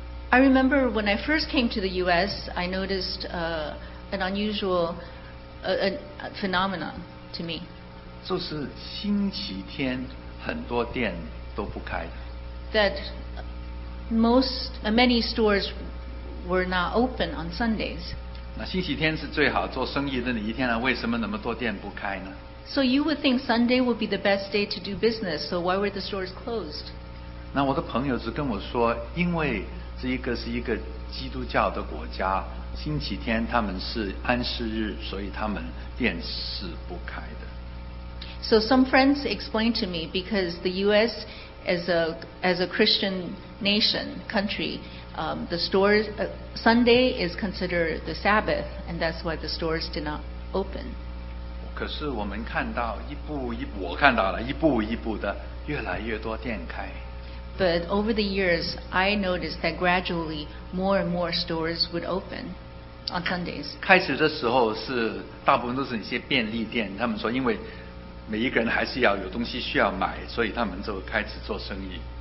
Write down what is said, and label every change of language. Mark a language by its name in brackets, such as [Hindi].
[English] I remember when I first came to the U.S., I noticed an unusual phenomenon to me. [Chinese] 就是星期天很多店都不开的。 [English] That many stores were not open on Sundays. [Chinese] 那星期天是最好做生意的一天了，为什么那么多店不开呢？ [English] So you would think Sunday would be the best day to do business. So why were the stores closed? [Chinese] 那我的朋友只跟我说，因为这一个是一个基督教的国家，星期天他们是安息日，所以他们店是不开的。 [English] So some friends explained to me because the U.S. as a Christian nation country, the stores Sunday is considered the Sabbath, and that's why the stores did not open. [Chinese] 可是我们看到我看到了一步一步的越来越多店开。 [English] But over the years, I noticed that gradually more and more stores would open on Sundays. [Chinese] 开始的时候是大部分都是一些便利店，他们说因为每一个人还是要有东西需要买，所以他们就开始做生意。